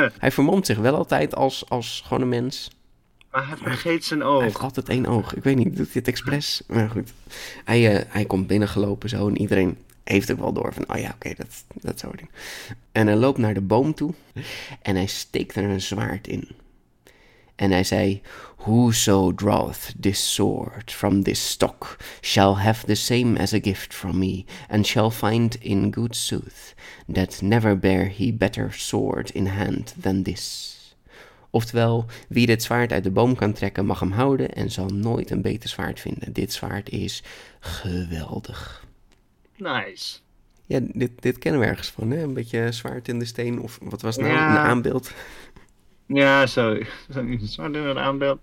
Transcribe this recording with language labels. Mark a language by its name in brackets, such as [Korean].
[Dutch] Hij vermomt zich wel altijd als gewoon een mens. Maar hij vergeet zijn oog. Hij heeft altijd 1 oog. Ik weet niet, doet hij het expres? Maar goed, hij komt binnengelopen zo en iedereen heeft ook wel door van, oh ja, oké, dat is Odin. En hij loopt naar de boom toe en hij steekt er een zwaard in. [English] En hij zei, whoso draweth this sword from this stock shall have the same as a gift from me, and shall find in good sooth that never bear he better sword in hand than this. [Dutch] Oftewel, wie dit zwaard uit de boom kan trekken mag hem houden en zal nooit een beter zwaard vinden. Dit zwaard is geweldig. Nice. Ja, dit kennen we ergens van, hè? Een beetje zwaard in de steen, of wat was het nou, een aanbeeld? Ja, sorry. Zwart in een aanbeeld.